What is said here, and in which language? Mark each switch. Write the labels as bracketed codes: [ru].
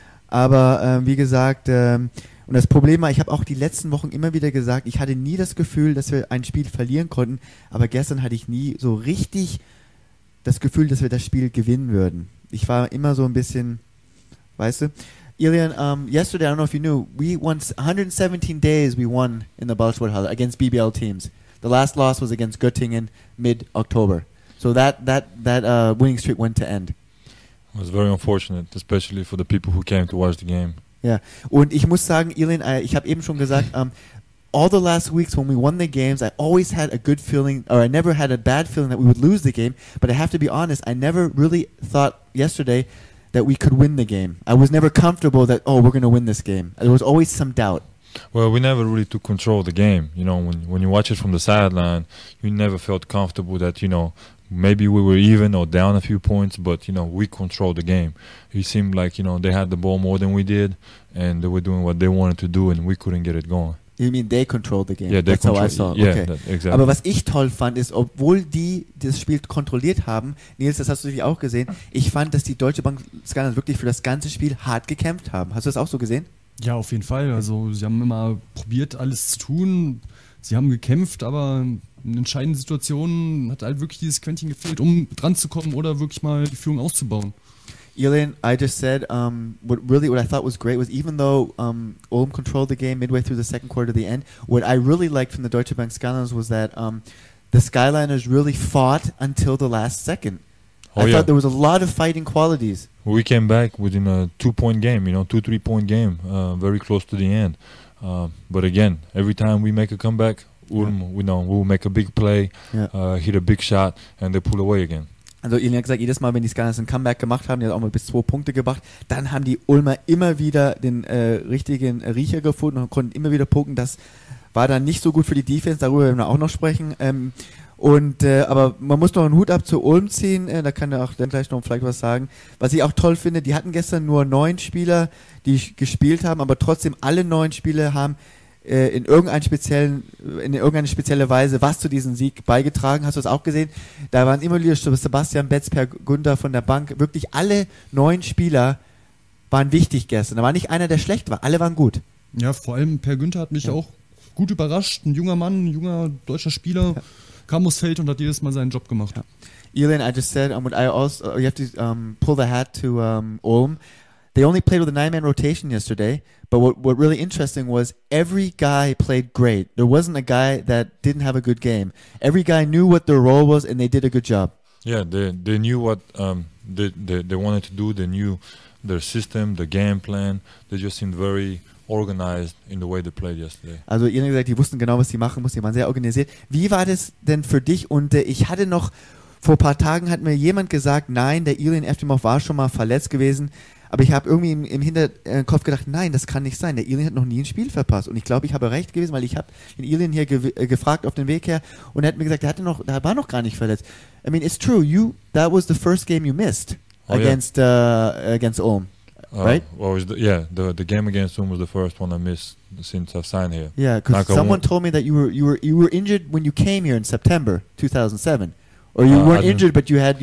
[de] Aber wie gesagt, und das Problem war, ich habe auch die letzten Wochen immer wieder gesagt, ich hatte nie das Gefühl, dass wir ein Spiel verlieren konnten. Aber gestern hatte ich nie so richtig das Gefühl, dass wir das Spiel gewinnen würden. Ich war immer so ein bisschen, weißt du? [en] Ilian, yesterday, I don't know if you knew, we once 117 days we won in the Ballsporthalle against BBL teams. The last loss was against Göttingen mid-October. So that winning streak went to end. It was very unfortunate, especially for the people who came to watch the game. Yeah, [de] und ich muss sagen, Ilian, ich habe eben schon gesagt, [en] all the last weeks when we won the games, I always had a good feeling, or I never had a bad feeling that we would lose the game, but I have to be honest, I never really thought yesterday that we could win the game. I was never comfortable that, oh, we're going to win this game. There was always some doubt. Well, we never really took control of the game. You know, when you watch it from the sideline, you never felt comfortable that, you know, maybe we were even or down a few points, but, you know, we controlled the game. It seemed like, you know, they had the ball more than we did, and they were doing what they wanted to do, and we couldn't get it going. You mean they controlled the game? Yeah, that's how I saw it. Yeah, okay. Exactly. [de] Aber was ich toll fand, ist, obwohl die das Spiel kontrolliert haben, Nils, das hast du auch gesehen, ich fand, dass die Deutsche Bank Skylanders wirklich für das ganze Spiel hart gekämpft haben. Hast du das auch so gesehen? Ja, auf jeden Fall. Also sie haben immer probiert, alles zu tun. Sie haben gekämpft, aber in entscheidenden Situationen hat halt wirklich dieses Quäntchen gefehlt, um dran zu kommen oder wirklich mal die Führung auszubauen. [en] Ilian, I just said what I thought was great was even though Ulm controlled the game midway through the second quarter to the end, what I really liked from the Deutsche Bank Skyliners was that the Skyliners really fought until the last second. Oh, I yeah. thought there was a lot of fighting qualities. We came back within a 2-point game, you know, 2-3-point game, very close to the end. But again, every time we make a comeback, Ulm, yeah. we'll make a big play, hit a big shot, and they pull away again. [de] Also Ilian hat gesagt, jedes Mal, wenn die Skylanders ein Comeback gemacht haben, die haben auch mal bis 2 Punkte gebracht, dann haben die Ulmer immer wieder den richtigen Riecher gefunden und konnten immer wieder punkten. Das war dann nicht so gut für die Defense, darüber werden wir auch noch sprechen. Aber man muss noch einen Hut ab zu Ulm ziehen, da kann der auch dann gleich noch vielleicht was sagen. Was ich auch toll finde, die hatten gestern nur 9 Spieler, die gespielt haben, aber trotzdem alle 9 Spieler haben in irgendeine spezielle Weise was zu diesem Sieg beigetragen. Hast du es auch gesehen? Da waren immer wieder Sebastian Betz, Per Gunther von der Bank. Wirklich alle 9 Spieler waren wichtig gestern. Da war nicht einer, der schlecht war. Alle waren gut. Ja, vor allem Per Gunther hat mich auch gut überrascht. Ein junger Mann, ein junger deutscher Spieler, kam aus Feld und hat jedes Mal seinen Job gemacht. [en] Ilian, I just said, you have to pull the hat to Ulm. They only played with a 9-man rotation yesterday, but what really interesting was every guy played great. There wasn't a guy that didn't have a good game. Every guy knew what their role was and they did a good job. Yeah, they knew what they wanted to do. They knew their system, the game plan. They just seemed very organized in the way they played yesterday. [de] Also ihr habt gesagt, die wussten genau, was sie machen mussten. Die waren sehr organisiert. Wie war das denn für dich? Und ich hatte noch, vor ein paar Tagen hat mir jemand gesagt, nein, der Ilian Eftimov war schon mal verletzt gewesen. Aber ich habe irgendwie im Hinterkopf gedacht, nein, das kann nicht sein. Der Ilian hat noch nie ein Spiel verpasst. Und ich glaube, ich habe recht gewesen, weil ich habe den Ilian hier gefragt auf den Weg her und er hat mir gesagt, er war noch gar nicht verletzt. [en] I mean, it's true. You, that was the first game you missed against Ulm, right? The game against Ulm was the first one I missed since I've signed here. Yeah, because someone told me that you were injured when you came here in September 2007. Or you weren't injured, but you had